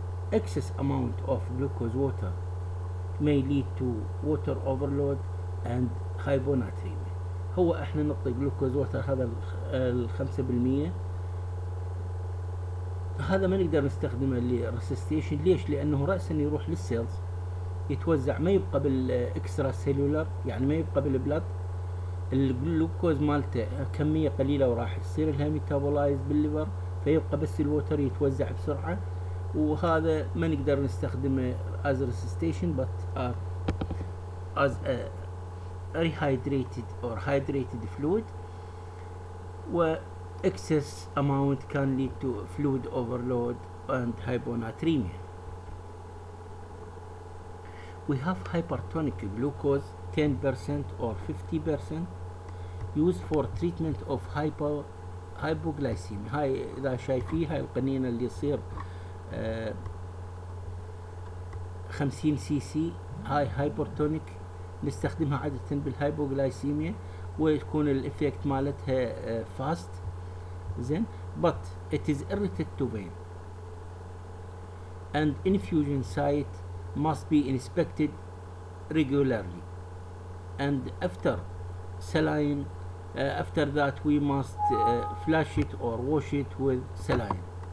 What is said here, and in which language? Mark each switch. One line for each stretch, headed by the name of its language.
English: Excess amount of glucose water may lead to water overload and hyponatremia.
Arabic: هو احنا نعطي جلوكوز ووتر، هذا 5%، هذا ما نقدر نستخدمه للريسستيشن. ليش؟ لانه راسا يروح للسيلز يتوزع، ما يبقى بالاكسترا سيلولر، يعني ما يبقى بالبلد. الجلوكوز مالته كميه قليله وراح يصير لها ميتابولايز بالليفر، فيبقى بس الووتر يتوزع بسرعه، وهذا ما نقدر نستخدمه
English: As resuscitation but as rehydrated or hydrated fluid. و excess amount can lead to fluid overload and hyponatremia. We have hypertonic glucose 10% or 50% used for treatment of hypoglycemia.
Arabic: هاي إذا شايفيها القنينة اللي يصير 50 cc، هاي hypertonic، نستخدمها عادة بالهايبوغلايسيميا ويكون الإفكت مالتها فاست.
English: زين، but it is irritated to vein and infusion site must be inspected regularly and after saline. After that we must flush it or wash it with saline.